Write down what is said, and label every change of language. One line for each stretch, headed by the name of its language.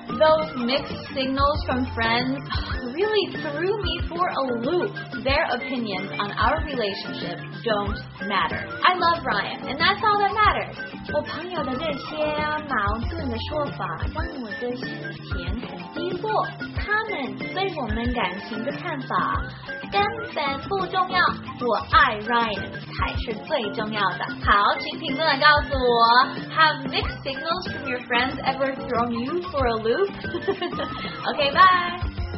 English: Those mixed signals from friends really threw me for a loop. Their opinions on our relationship don't matter. I love Ryan, and that's all that matters.
Chinese: 我朋友的那些矛盾的说法让我的心情很低落。他们对我们感情的看法根本不重要，我爱 Ryan 才是最重要的。好，请评论告诉我
English: ，Have mixed signals from your friends ever thrown you for a loop? OK, bye.